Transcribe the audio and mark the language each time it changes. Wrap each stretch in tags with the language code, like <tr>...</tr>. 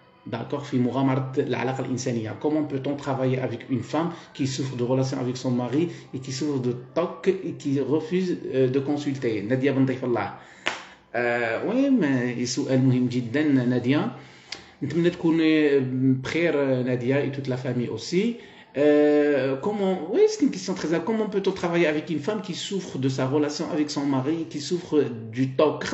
<fr>D'accord,</fr> <ar>في مغامرة العلاقة الإنسانية.</ar> <fr>Comment peut-on travailler avec une femme qui souffre de relations avec son mari et qui souffre de TOC et qui refuse de consulter?</fr> <ar>Nadia بنضيف الله.</ar> <fr>Oui, mais</fr> <ar>سؤال مهم جدا نادية. نتمنى تكون بخير نادية</ar> <fr>et toute la famille aussi. Comment, oui, c'est une question très importante. Comment peut-on travailler avec une femme qui souffre de sa relation avec son mari, qui souffre du TOC?</fr>